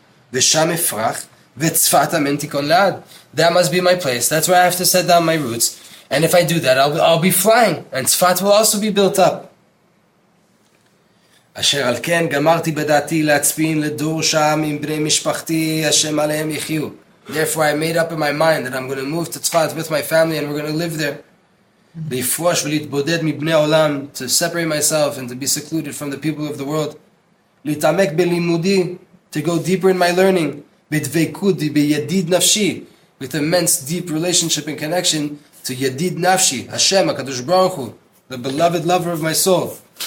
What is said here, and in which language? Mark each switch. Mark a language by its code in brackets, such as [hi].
[en] That must be my place. That's where I have to set down my roots. And if I do that, I'll be flying. And Tzfat will also be built up. [he] אשר על כן גמרתי בדעתי להצפין לדור שם עם בני משפחתי השם עליהם יחיו. [en] Therefore I made up in my mind that I'm going to move to Tzfat with my family and we're going to live there. [he] להפרוש ולהתבודד מבני עולם, [en] to separate myself and to be secluded from the people of the world. [he] להתעמק בלימודי, [en] to go deeper in my learning. [he] בדבקות בידיד נפשי, [en] with immense deep relationship and connection to [he] ידיד נפשי, השם הקדוש ברוך הוא, [en] the beloved lover of my soul.